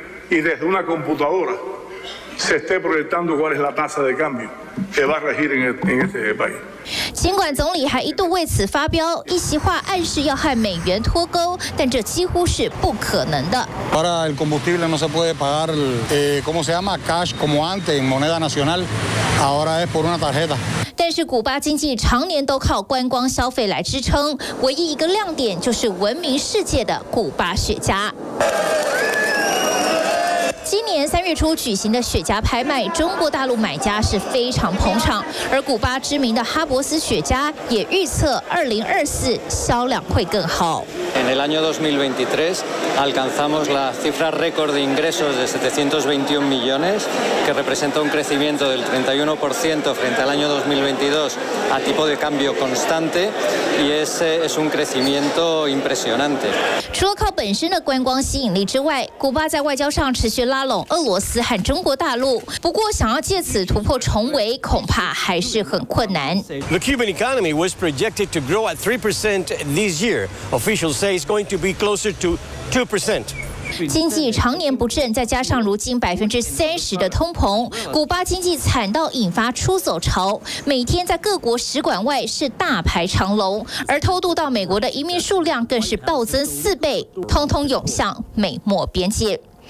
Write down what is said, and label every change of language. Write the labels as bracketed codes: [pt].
[es] Y desde una computadora se esté proyectando cuál es la tasa de cambio que va a regir en este país. [zh] 尽管总理还一度为此发飙，一席话暗示要和美元脱钩，但这几乎是不可能的。 [es] Para el combustible no se puede pagar, ¿cómo se llama? Cash, como antes, en moneda nacional. Ahora es por una tarjeta. [zh] 但是古巴经济常年都靠观光消费来支撑，唯一一个亮点就是闻名世界的古巴雪茄。今年三月初举行的雪茄拍卖，中国大陆买家是非常捧场，而古巴知名的哈伯斯雪茄也预测2024销量会更好。 [es] En el año 2023 alcanzamos la cifra récord de ingresos de 721 millones, que representa un crecimiento del 31% frente al año 2022 a tipo de cambio constante, y ese es un crecimiento impresionante. [zh] 除了靠本身的观光吸引力之外，古巴在外交上持续拉拢俄罗斯和中国大陆，不过想要借此突破重围，恐怕还是很困难。 [en] The Cuban economy was projected to grow at 3% this year. Officials say it's going to be closer to 2%. [zh] 经济常年不振，再加上如今30%的通膨，古巴经济惨到引发出走潮，每天在各国使馆外是大排长龙，而偷渡到美国的移民数量更是暴增4倍，通通涌向美墨边界。